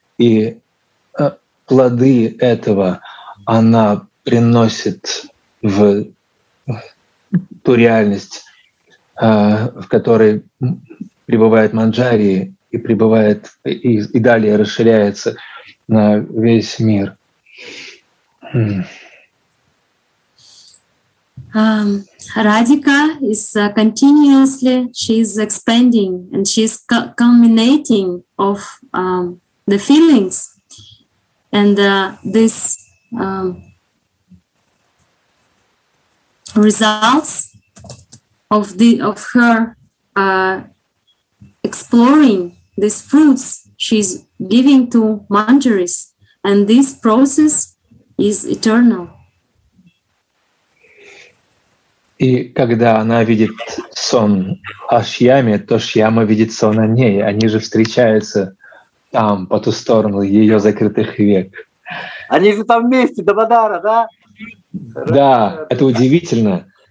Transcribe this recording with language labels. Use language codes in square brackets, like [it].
[ru] И плоды этого она приносит в ту реальность, в которой пребывает Манджари и пребывает и далее расширяется на весь мир. [en] Radhika is continuously, she is expanding and she is culminating of the feelings and this results of her exploring these fruits she's giving to Manjaris, and this process is eternal. [ru] И когда она видит сон о Шьяме, то Шьяма видит сон о ней. Они же встречаются там, по ту сторону ее закрытых век. Они же там вместе, Дабадара, да? Да, это удивительно.